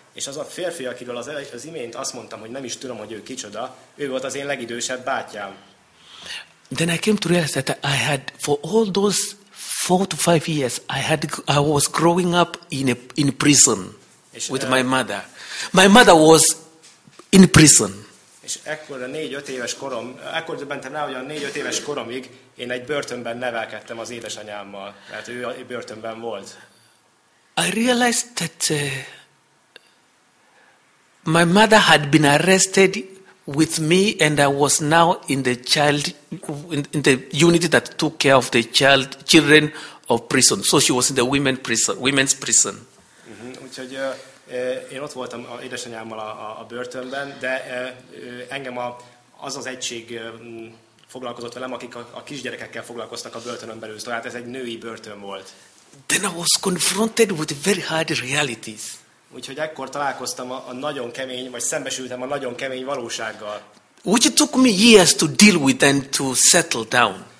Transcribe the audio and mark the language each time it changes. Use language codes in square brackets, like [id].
[hu] És az a férfi, akiről az imént azt mondtam, hogy nem is tudom, hogy ő kicsoda, ő volt az én legidősebb bátyám. [en] Then I came to realize that I had, for all those 4 to 5 years, I was growing up in prison with my mother. My mother was in prison. [hu] És ekkor a 4-5 éves korom, ekkor döbbentem rá, hogy a 4-5 éves koromig én egy börtönben nevelkedtem az édesanyámmal, mert ő a börtönben volt. [en] I realized that my mother had been arrested with me, and I was now in the child in the unit that took care of the children of prison. So she was in the women's prison. [hu] Úgyhogy én ott voltam az édesanyámmal a börtönben, de engem az egység foglalkozott velem, akik a kisgyerekekkel foglalkoztak a börtönön belül. Tehát ez egy női börtön volt. [en] Then I was confronted with very hard realities. [hu] Úgyhogy ekkor találkoztam a nagyon kemény, vagy szembesültem a nagyon kemény valósággal. [en] Which took me years to deal with and to settle down.